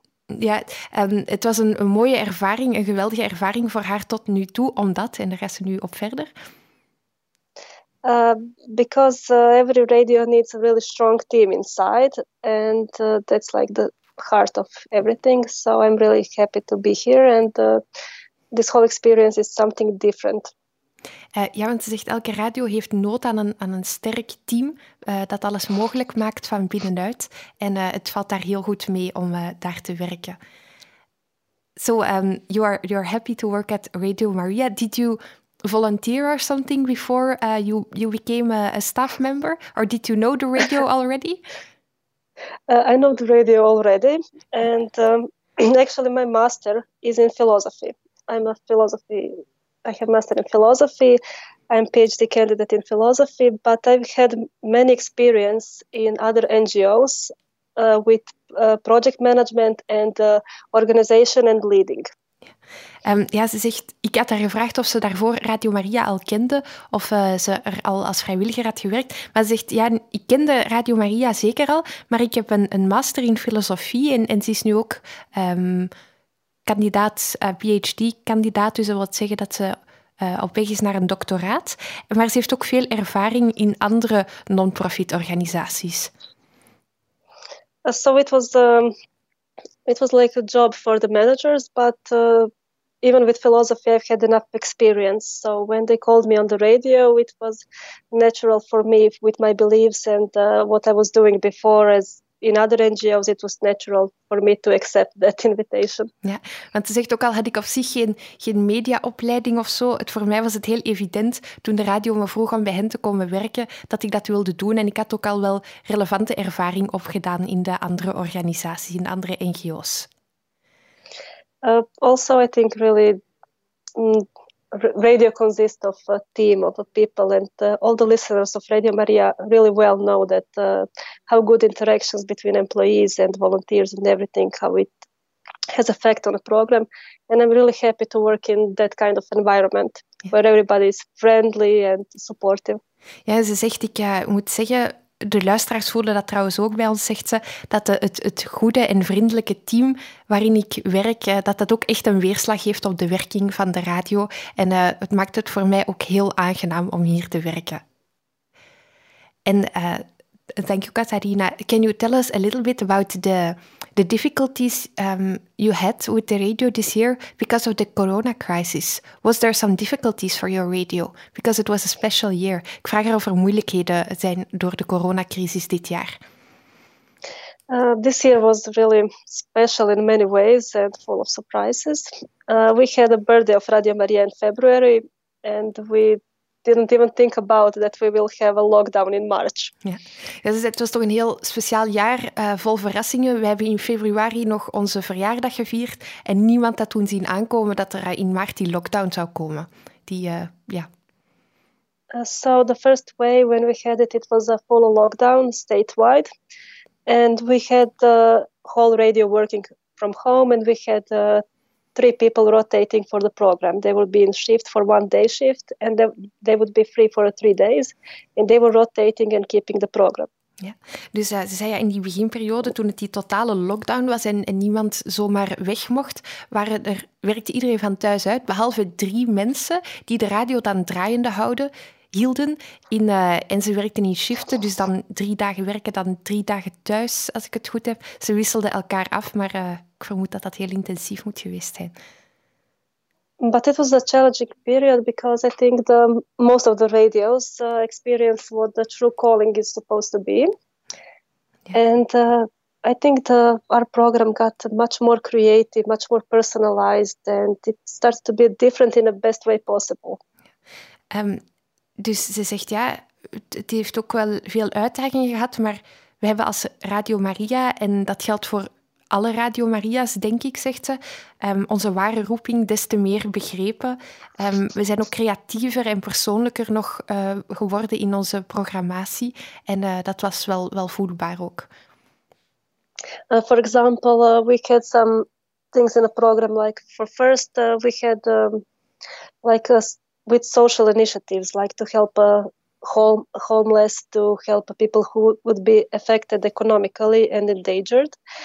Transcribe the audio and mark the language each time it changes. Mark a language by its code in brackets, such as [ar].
[nl] Ja, het was een mooie ervaring, een geweldige ervaring voor haar tot nu toe, omdat, en daar gaat ze nu op verder. [en] Because every radio needs a really strong team inside, and that's like the heart of everything. So I'm really happy to be here, and this whole experience is something different. [nl] Ja, want ze zegt, elke radio heeft nood aan een sterk team dat alles mogelijk maakt van binnenuit. En het valt daar heel goed mee om daar te werken. [en] So, you're happy to work at Radio Maria. Did you volunteer or something before you became a staff member? Or did you know the radio already? I know the radio already. And actually, my master is in philosophy. I'm a philosophy... I have a master in philosophy, I'm a PhD candidate in philosophy, but I've had many experience in other NGOs with project management and organization and leading. [nl] Ja, ze zegt, ik had haar gevraagd of ze daarvoor Radio Maria al kende, of ze er al als vrijwilliger had gewerkt. Maar ze zegt, ja, ik kende Radio Maria zeker al, maar ik heb een master in filosofie en ze is nu ook kandidaat, PhD-kandidaat, dus dat wil zeggen dat ze op weg is naar een doctoraat. Maar ze heeft ook veel ervaring in andere non-profit organisaties. [en] So it was like a job for the managers, but even with philosophy, I've had enough experience. So when they called me on the radio, it was natural for me with my beliefs and what I was doing before. As in other NGOs, it was natural for me to accept that invitation. [nl] Ja, want ze zegt ook al had ik op zich geen mediaopleiding of zo. Het voor mij was het heel evident toen de radio me vroeg om bij hen te komen werken, dat ik dat wilde doen. En ik had ook al wel relevante ervaring opgedaan in de andere organisaties, in andere NGOs. [en] Also, I think really radio consists of a team of people, and all the listeners of Radio Maria really well know that how good interactions between employees and volunteers and everything, how it has effect on the program. And I'm really happy to work in that kind of environment where everybody is friendly and supportive. [nl] Ja, ze zegt, ik moet zeggen, de luisteraars voelen dat trouwens ook bij ons, zegt ze, dat het goede en vriendelijke team waarin ik werk, dat ook echt een weerslag heeft op de werking van de radio. En het maakt het voor mij ook heel aangenaam om hier te werken. [en] En thank you, Katharina. Can you tell us a little bit about the difficulties you had with the radio this year because of the corona crisis? Was there some difficulties for your radio? Because it was a special year. [nl] Ik vraag er of er moeilijkheden zijn door de coronacrisis dit jaar. [en] This year was really special in many ways and full of surprises. We had a birthday of Radio Maria in February and we didn't even think about that we will have a lockdown in March. [nl] Ja. Ja, het was toch een heel speciaal jaar, vol verrassingen. We hebben in februari nog onze verjaardag gevierd en niemand had toen zien aankomen dat er in maart die lockdown zou komen. [en] So the first way when we had it was a full lockdown statewide. And we had the whole radio working from home and we had three people rotating for the program. They would be in shift for one day shift and they would be free for 3 days and they were rotating and keeping the program. [nl] Ja. Dus ze zei ja, in die beginperiode toen het die totale lockdown was en niemand zomaar weg mocht, werkte iedereen van thuis uit, behalve 3 mensen die de radio dan draaiende hielden. En ze werkten in shiften, dus dan 3 dagen werken, dan 3 dagen thuis, als ik het goed heb. Ze wisselden elkaar af, maar ik vermoed dat dat heel intensief moet geweest zijn. [en] But it was a challenging period because I think the most of the radios experience what the true calling is supposed to be. Yeah. And I think our program got much more creative, much more personalized, and it starts to be different in the best way possible. [nl] Dus ze zegt ja, het heeft ook wel veel uitdagingen gehad, maar we hebben als Radio Maria, en dat geldt voor alle Radio Maria's, denk ik, zegt ze, onze ware roeping des te meer begrepen. We zijn ook creatiever en persoonlijker nog geworden in onze programmatie en dat was wel voelbaar ook. [en] For example, we had some things in the program, like for first we had like us with social initiatives, like to help homeless, to help people who would be affected economically and endangered.